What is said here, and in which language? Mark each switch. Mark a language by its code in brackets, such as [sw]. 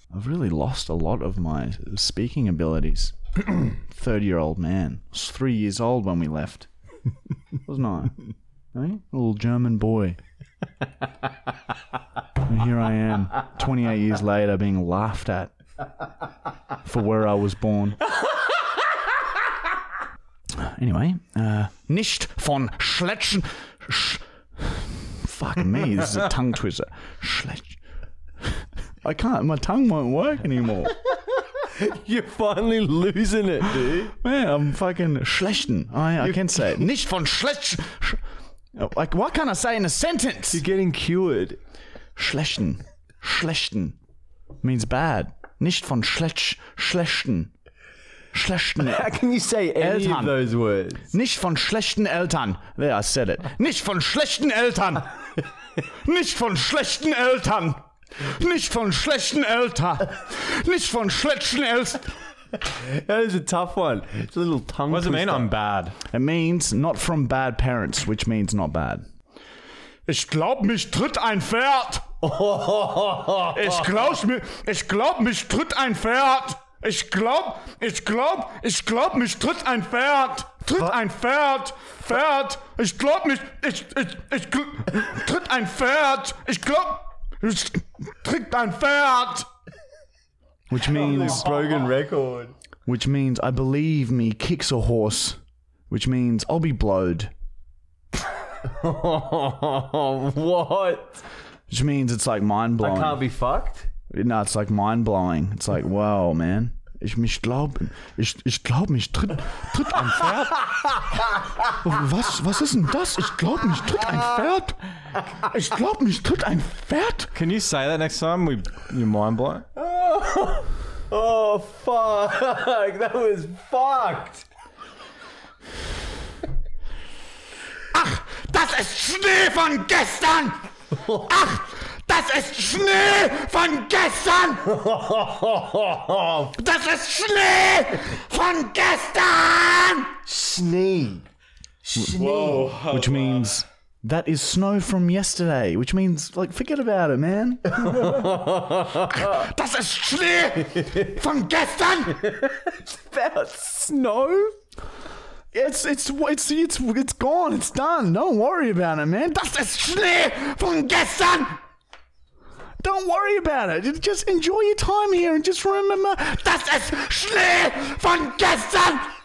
[en] I've really lost a lot of my speaking abilities. 30-year-old man. I was 3 years old when we left. Wasn't I? Eh? Little German boy. And here I am, 28 years later, being laughed at for where I was born. [de] Anyway, nicht von Schletchen. [en] Fuck me, this is a tongue twister. Schletchen. I can't. My tongue won't work anymore. You're finally losing it, dude. Man, I'm fucking schlechten. I can't say it. [de] Nicht von schlechten. [en] Like, what can I say in a sentence? You're getting cured. [de] Schlechten. Schlechten. [en] Means bad. [de] Nicht von schlechten. Schlechten. [en] How can you say any [de] Eltern. [en] Of those words? [de] Nicht von schlechten Eltern. [en] There, I said it. [de] Nicht von schlechten Eltern. Nicht von schlechten Eltern. Nicht von schlechten Eltern. Nicht von schlechten Eltern. [en] That is a tough one. It's a little tongue twister. What does it mean, I'm bad? It means not from bad parents, which means not bad. [de] Ich glaub, mich tritt ein Pferd. Ich glaub, mich tritt ein Pferd. Ich glaub, mich tritt ein Pferd. Tritt ein Pferd. Pferd. Ich glaub, mich... Ich tritt ein Pferd. Ich glaub... Trick dein Pferd! [en] Which means... Broken record. Which means, I believe me kicks a horse. Which means, I'll be blowed. What? Which means it's like mind-blowing. I can't be fucked? No, it's like mind-blowing. It's like, wow, man. [de] Ich glaub, mich tritt ein Pferd. Was ist denn das? Ich glaub, mich tritt ein Pferd. Ich glaub, mich tritt ein Pferd. [en] Can you say that next time? You mind blown? Oh, fuck. That was fucked. [de] Ach, das ist Schnee von gestern. Ach. Das ist Schnee von gestern! Das ist Schnee von gestern! Schnee. Schnee. [en] Whoa. Which means, that is snow from yesterday. Which means, like, forget about it, man. [de] Das ist Schnee von gestern! [en] That snow? It's gone. It's done. Don't worry about it, man. [de] Das ist Schnee von gestern! [en] Don't worry about it. Just enjoy your time here and just remember... [de] Das ist Schnee von gestern!